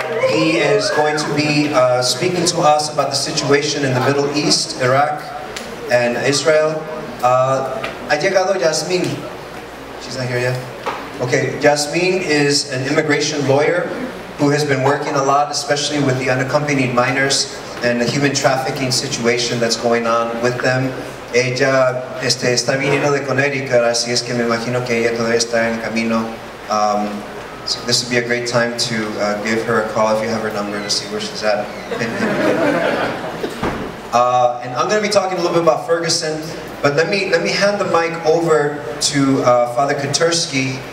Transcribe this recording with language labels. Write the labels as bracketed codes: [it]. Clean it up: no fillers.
[en] He is going to be speaking to us about the situation in the Middle East, Iraq, and Israel. [es] Ha llegado Yasmin. [en] She's not here yet. Okay, Yasmin is an immigration lawyer who has been working a lot, especially with the unaccompanied minors and the human trafficking situation that's going on with them. [es] Ella este, está viniendo de Connecticut, así es que me imagino que ella todavía está en el camino. [en] So this would be a great time to give her a call if you have her number to see where she's at. And I'm going to be talking a little bit about Ferguson, but let me hand the mic over to Father Kantursky.